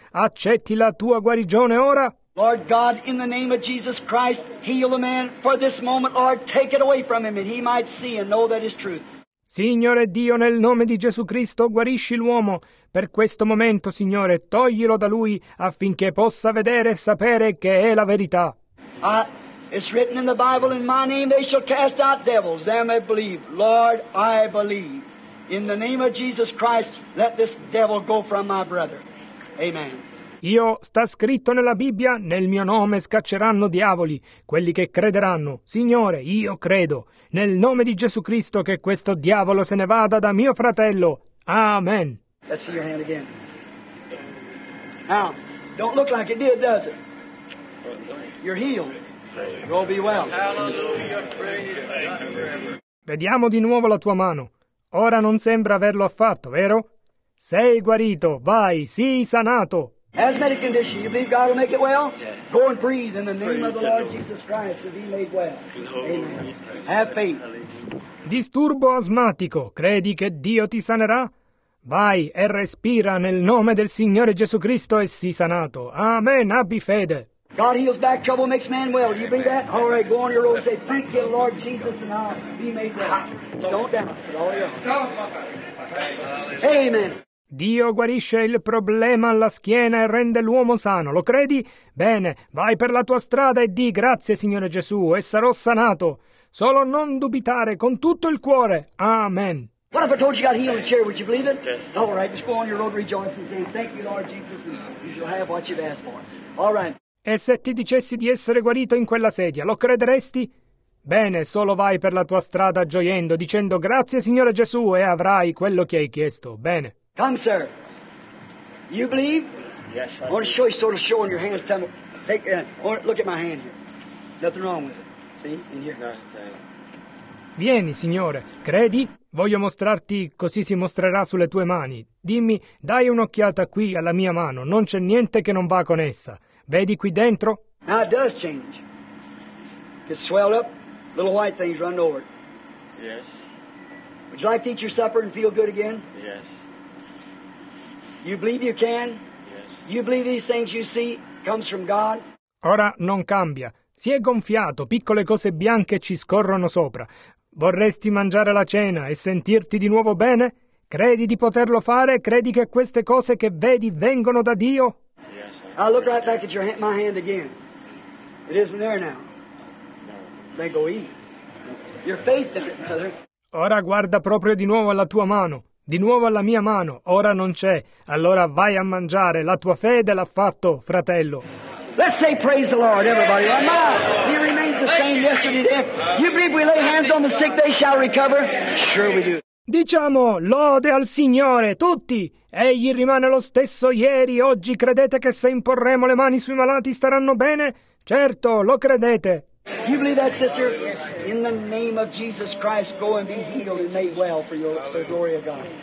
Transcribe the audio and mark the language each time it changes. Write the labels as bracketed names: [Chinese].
[Italian] Accetti la tua guarigione ora? [English] Lord God, in the name of Jesus Christ, heal the man for this moment, Lord, take it away from him and he might see and know that is truth. [Italian] Signore Dio, nel nome di Gesù Cristo, guarisci l'uomo. Per questo momento, Signore, toglilo da lui affinché possa vedere e sapere che è la verità. [English] It's written in the Bible, in my name they shall cast out devils, them that believe. Lord, I believe. In the name of Jesus Christ, let this devil go from my brother. Amen. [Italian] Io, sta scritto nella Bibbia, nel mio nome scacceranno diavoli, quelli che crederanno. Signore, io credo, nel nome di Gesù Cristo, che questo diavolo se ne vada da mio fratello. Amen. [English] Let's see your hand again. Now, don't look like it did, does it? You're healed. You'll be well. Hallelujah. [Italian] Vediamo di nuovo la tua mano. Ora non sembra averlo affatto, vero? Sei guarito, vai, sii sanato. [English] Asthmatic condition, you believe God will make it well? Yes. Go and breathe in the name of the Lord Jesus Christ and be made well. Amen. Have faith. [Italian] Disturbo asmatico, credi che Dio ti sanerà? Vai e respira nel nome del Signore Gesù Cristo e sii sanato. Amen, abbi fede. [English] God heals back trouble, makes man well. Do you believe that? All right, go on your road and say, thank you, Lord Jesus, and I'll be made well. Don't doubt. Amen. [Italian] Dio guarisce il problema alla schiena e rende l'uomo sano, lo credi? Bene, vai per la tua strada e di grazie, Signore Gesù, e sarò sanato. Solo non dubitare con tutto il cuore. Amen. [English] What if I told you got healed in the chair, would you believe it? Yes. All right, just go on your road rejoicing and say, thank you, Lord Jesus, and you shall have what you've asked for. All right. [Italian] E se ti dicessi di essere guarito in quella sedia, lo crederesti? Bene, solo vai per la tua strada gioiendo, dicendo grazie, Signore Gesù, e avrai quello che hai chiesto. Bene. [English] Come, sir. You believe? Yes, sir. I want to show you, sort of show on your hands. Tell me, take look at my hand here. Nothing wrong with it. See? In here. [Italian] No, vieni, Signore. Credi? Voglio mostrarti, così si mostrerà sulle tue mani. Dimmi, dai un'occhiata qui alla mia mano. Non c'è niente che non va con essa. Vedi qui dentro? [English] Now it does change. It's swelled up. Little white things run over it. Yes. Would you like to eat your supper and feel good again? Yes. You believe you can? Yes. You believe these things you see comes from God? [Italian] Ora non cambia. Si è gonfiato, piccole cose bianche ci scorrono sopra. Vorresti mangiare la cena e sentirti di nuovo bene? Credi di poterlo fare? Credi che queste cose che vedi vengono da Dio? [English] Yes. I look right back at your hand, my hand again. It isn't there now. No. Then go eat. Your faith in it, brother. [Italian] Ora guarda proprio di nuovo alla tua mano. Di nuovo alla mia mano, ora non c'è. Allora vai a mangiare, la tua fede l'ha fatto, fratello. [English] Let's say praise the Lord, everybody. Right? He remains the same yesterday. You believe we lay hands on the sick, they shall recover? Sure we do. [Italian] Diciamo, lode al Signore, tutti! Egli rimane lo stesso ieri, oggi. Credete che se imporremo le mani sui malati staranno bene? Certo, lo credete. [English] Do you believe that, sister? In the name of Jesus Christ, go and be healed and made well for the glory of God.